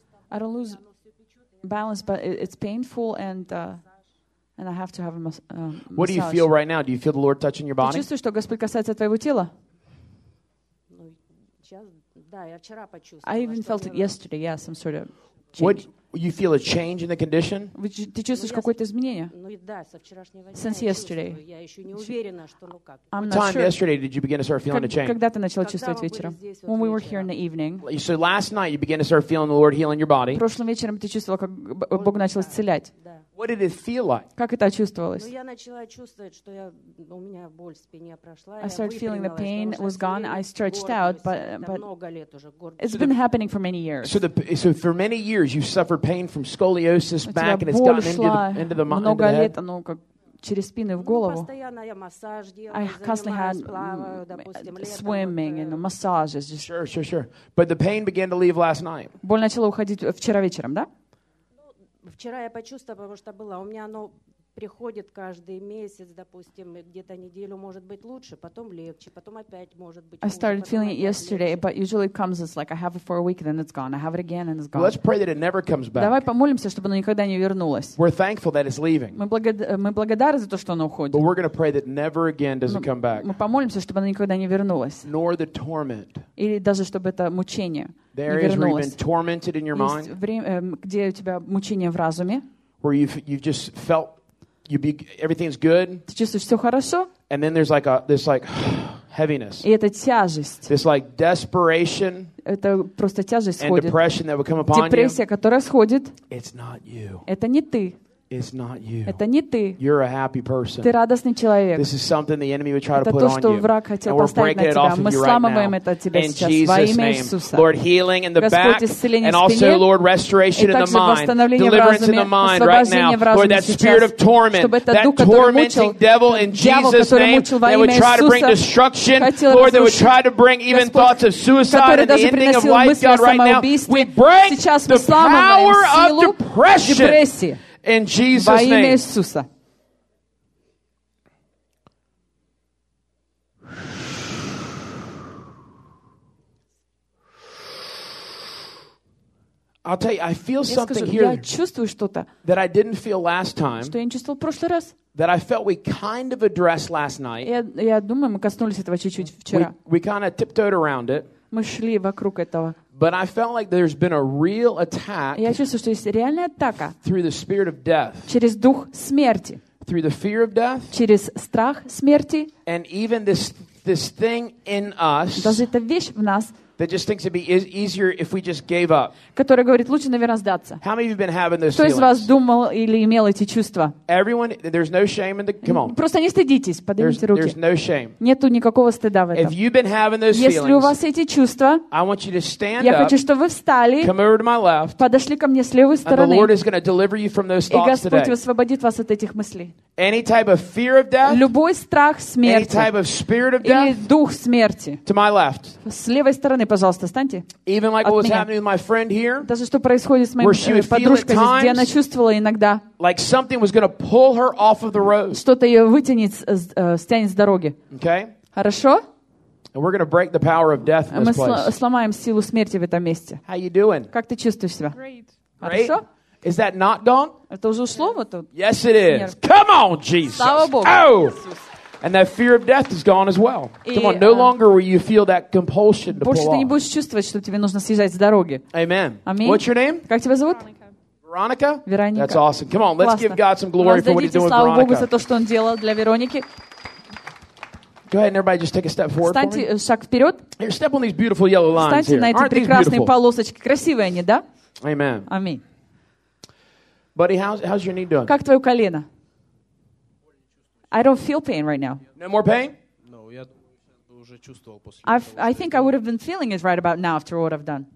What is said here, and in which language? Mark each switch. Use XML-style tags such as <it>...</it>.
<en>I don't lose balance, but it's painful and. And I have to have a massage. What do you feel right now? Do you feel the Lord touching your body?</en> <ru>Ты чувствуешь, что Господь касается твоего тела? Ну, сейчас, да, я вчера почувствовала.</ru> <en>I even felt it yesterday. Yeah, some sort of change. What you feel a change in the condition?</en> <ru>Ты чувствуешь какое-то изменение? Ну да, со вчерашнего дня.</ru> <en>Since yesterday.</en> <ru>Я еще не уверена, что ну как.</ru> <en>What time yesterday did you begin to start feeling a change?</en> <ru>Когда ты начал чувствовать вечером?</ru> <en>When we were here in the evening. So last night you began to start feeling the Lord healing your body.</en> <ru>Прошлым вечером ты чувствовала, как Бог начал исцелять.</ru> <en>What did it feel like?</en> <ru>Как это чувствовалось? Ну, я начала чувствовать, что я, у меня боль в спине прошла.</ru> <en>I started feeling the pain was gone. I stretched out, but</en> <ru>много лет уже.</ru> <en>It's been happening for many years. So for many years you suffered pain from scoliosis back and it's gotten into the mind.</en> <ru>Много лет оно как через спину в голову. Постоянно я массаж делаю.</ru> <en>I constantly had swimming and massages. Sure. But the pain began to leave last night.</en> <ru>Боль начала уходить вчера вечером, да? Вчера я почувствовала, потому что было, у меня оно приходит каждый месяц, допустим, где-то неделю может быть лучше, потом легче, потом опять может быть хуже.</ru> <en>I started feeling it yesterday, but usually it comes, it's like I have it for a week, then it's gone. I have it again, and it's gone. Let's pray that it never comes back.</en> <ru>Давай помолимся, чтобы оно никогда не вернулось.</ru> <en>We're thankful that it's leaving.</en> <ru>Мы благодарны за то, что оно уходит.</ru> <en>But we're going to pray that never again does it come back.</en> <ru>Мы помолимся, чтобы оно никогда не вернулось.</ru> <en>Nor the torment.</en> <ru>Или даже чтобы это мучение.</ru> <en>There is where you've been tormented in your mind.</en> <ru>Где у тебя мучение в разуме?</ru> <en>Where you've just felt everything's good.</en> <ru>Ты чувствуешь все хорошо?</ru> <en>And then there's like this like heaviness.</en> <ru>И это тяжесть.</ru> <en>This like desperation.</en> <ru>Это просто тяжесть сходит.</ru> <en>And depression that would come upon you.</en> <ru>Депрессия, которая сходит.</ru> <en>It's not you.</en> <ru>Это не ты.</ru> <en>It's not you.</en> <ru>Это не ты.</ru> <en>You're a happy person.</en> <ru>Ты радостный человек.</ru> <en>This is something the enemy would try</en> <ru>это</ru> <en>to put</en> <ru>то,</ru> <en>on you.</en> <ru>Это то, что враг хотел поставить на тебя.</ru> <en>Of</en> <ru>мы сломаем</ru> <en>right</en> <ru>это тебе сейчас во имя Иисуса.</ru> <en>Lord, healing in the</en> <ru>Господь, исцеление</ru> <en>and also,</en> <ru>спине,</ru> <en>Lord, restoration in the mind, deliverance in the mind right now. Lord, that spirit of torment, that tormenting devil in Jesus' name, that would try to bring destruction, Lord, that would try to bring even thoughts of suicide and the ending of life, God, right now. We break the power of depression. In Jesus' name.</en> <ru>Иисуса.</ru> <en>I I'll tell you, I feel something here that I didn't feel last time, that I felt we kind of addressed last night. We kind of tiptoed around it.</en> <ru>Мы шли вокруг этого.</ru> <en>But I felt like there's been a real attack.</en> <ru>Я чувствую, что есть реальная атака.</ru> <en>Through the spirit of death.</en> <ru>Через дух смерти.</ru> <en>Through the fear of death.</en> <ru>Через страх смерти.</ru> <en>And even this thing in us.</en> <ru>Даже эта вещь в нас.</ru> <en>That just thinks it'd be easier if we just gave up.</en> <ru>Которая говорит, лучше, наверное, сдаться.</ru> <en>How many of you have been having those</en> <ru>Кто</ru> <en>feelings?</en> <ru>Кто из вас думал или имел эти чувства?</ru> <en>Everyone, there's no shame in the. Come on.</en> <ru>Просто не стыдитесь, поднимите</ru> <en>there's,</en> <ru>руки.</ru> <en>There's no shame.</en> <ru>Нету никакого стыда в этом.</ru> <en>If you've been having those</en> <ru>Если</ru> <en>feelings.</en> <ru>Если у вас эти чувства.</ru> <en>I want you to stand</en> <ru>я</ru> <en>up.</en> <ru>Я хочу, чтобы вы встали.</ru> <en>Come over to my left.</en> <ru>Подошли ко мне с левой стороны.</ru> <en>And the Lord is going to deliver you from those thoughts today.</en> <ru>И Господь освободит вас от этих мыслей.</ru> <en>Any type of fear of death.</en> <ru>Любой страх смерти.</ru> <en>Any type of spirit of death.</en> <ru>Или дух смерти.</ru> <en>To my left.</en> <ru>С левой стороны. Пожалуйста, встаньте.</ru> <en>Even like what was happening with my friend here,</en> <ru>даже что происходит с моей подружкой здесь, где она чувствовала иногда,</ru> <en>like something was gonna pull her off of the road.</en> <ru>Что-то ее вытянет, стянет с дороги.</ru> <en>Okay.</en> <ru>Хорошо?</ru> <en>And we're gonna break the power of death in this</en> <ru>Мы</ru> <en>place.</en> <ru>Сломаем силу смерти в этом месте.</ru> <en>How you doing?</en> <ru>Как ты чувствуешь себя?</ru> <en>Great.</en> <ru>Хорошо?</ru> <en>Is that not gone?</en> <ru>Это уже ушло, вот тут?</ru> <en>Yes, it is. Come on, Jesus.</en> <ru>Слава Богу. Oh!</ru> <en>And that fear of death is gone as well. Come on, no longer will you feel that compulsion to pull off.</en> <ru>Больше ты не будешь чувствовать, что тебе нужно съезжать с дороги.</ru> <en>Amen.</en> <ru>Аминь.</ru> <en>What's your name?</en> <ru>Как тебя зовут? Вероника. Вероника.</ru> <en>That's awesome. Come on, let's give God some glory for what He's doing, Вероника.</en> <ru>Воздадите славу Богу за то, что Он делал для Вероники.</ru> <en>Go ahead and everybody just take a step forward.</en> <ru>Встаньте шаг вперед.</ru> <en>Here, step on these beautiful yellow lines</en> <ru>Встаньте</ru> <en>here.</en> <ru>На эти</ru> <en>Aren't</en> <ru>прекрасные полосочки. Красивые они, да?</ru> <en>Amen.</en> <ru>Аминь.</ru> <en>Buddy, how's your knee doing?</en> <ru>Как твое колено?</ru> <en>I don't feel pain right now. No more pain?</en> <ru>No, я уже чувствовал после.</ru> <en>I think I would have been feeling it right about now after what I've done.</en>